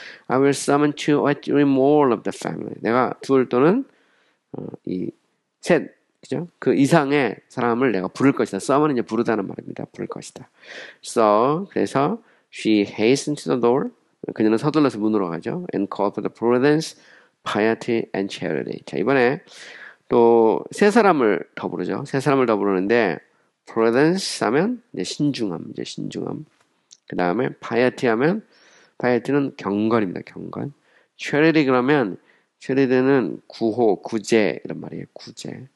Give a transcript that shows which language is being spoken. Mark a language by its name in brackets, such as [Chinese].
[English] I will summon two or three more of the family. [Korean] 내가 둘 또는 이 셋, 그죠? 그 이상의 사람을 내가 부를 것이다. summon은 이제 부르다는 말입니다. 부를 것이다. So 그래서 [English] she hastened to the door. [Korean] 그녀는 서둘러서 문으로 가죠. [English] And called for the prudence, piety, and charity. [Korean] 자, 이번에 또세 사람을 더 부르죠. 세 사람을 더 부르는데 prudence 하면 이제 신중함, 이제 신중함. 그 다음에 piety 하면 piety는 경건입니다. 경건. charity 그러면 charity는 구호, 구제 이런 말이에요. 구제.